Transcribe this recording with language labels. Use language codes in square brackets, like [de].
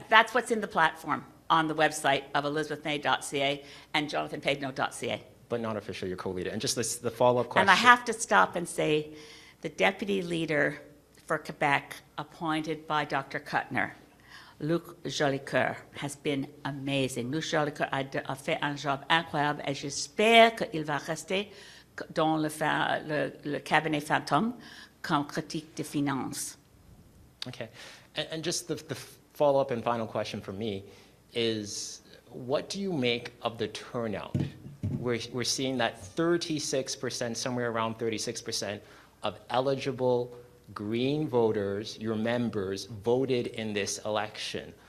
[en] That's what's in the platform on the website of elizabethnay.ca and jonathanpedneault.ca. But not officially your co-leader. And just the follow-up question. And I have to stop and say the deputy leader for Quebec, appointed by Dr. Kuttner, Luc Jolicoeur, has been amazing. [fr] Luc Jolicoeur a fait un job incroyable, et j'espère qu'il va rester dans le cabinet fantôme comme critique de finances. [en] Okay. And just the follow-up and final question for me is, what do you make of the turnout? We're seeing that 36%, somewhere around 36% of eligible Green voters, your members, voted in this election.